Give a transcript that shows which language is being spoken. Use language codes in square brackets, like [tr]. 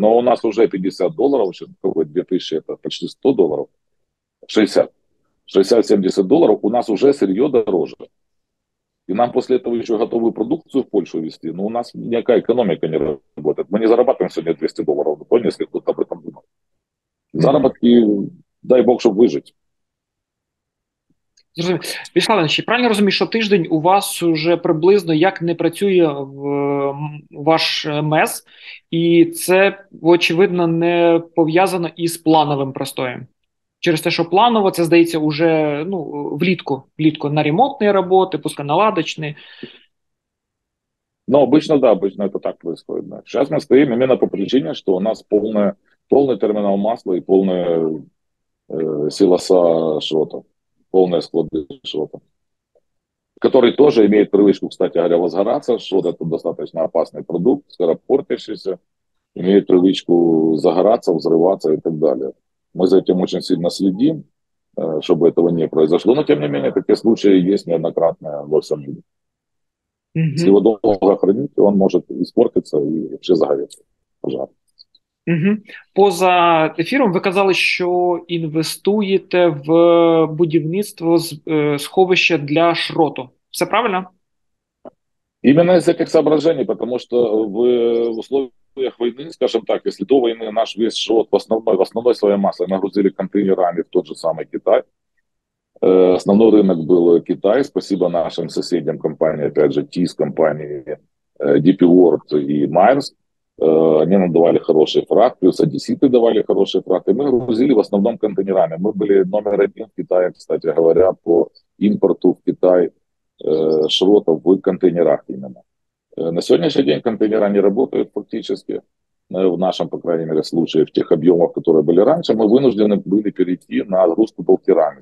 [ru] Но у нас уже 50 долларов, сейчас какой 2000, это почти 100 долларов, 60-70 долларов, у нас уже сырье дороже. И нам после этого еще готовую продукцию в Польшу везти. Но у нас никакая экономика не работает. Мы не зарабатываем сегодня 200 долларов. Вы поняли, если кто-то об этом [uk] заработки, дай Бог, щоб вижити. Вячеслав Іванович, правильно розумію, що тиждень у вас вже приблизно як не працює ваш МЕЗ, і це, очевидно, не пов'язано із плановим простоєм. Через те, що планово, це, здається, вже ну, влітку на ремонтні роботи, пусконаладочні. Ну, обично, так, да, обично це так відбувається. Зараз ми стоїмо іменно по причині, що у нас повний термінал масла і повне силоса швота. [ru] Полные склады швота, который тоже имеет привычку, кстати говоря, возгораться. Швот – это достаточно опасный продукт, скоропортящийся, имеет привычку загораться, взрываться и так далее. Мы за этим очень сильно следим, чтобы этого не произошло. Но, тем не менее, такие случаи есть неоднократно во всем мире. Если его долго хранить, он может испортиться и вообще загореться. Пожар. Угу. [uk] Поза ефіром ви казали, що інвестуєте в будівництво сховища для шроту. Все правильно? Іменно з цих соображень, тому що в умовах війни, скажімо так, якщо до війни наш весь шрот в основному своє масло нагрузили контейнерами в той же самий Китай. Основний ринок був Китай, спасибо нашим сусідям компаніям, опять же, ТІС компанії, DP World і Майерс. [ru] Они нам давали хороший фрахт, плюс одесситы давали хороший фрахт, и мы грузили в основном контейнерами. Мы были номер один в Китае, кстати говоря, по импорту в Китай шротов в контейнерах именно. На сегодняшний день контейнера не работают фактически, в нашем, по крайней мере, случае, в тех объемах, которые были раньше, мы вынуждены были перейти на грузку балкерами.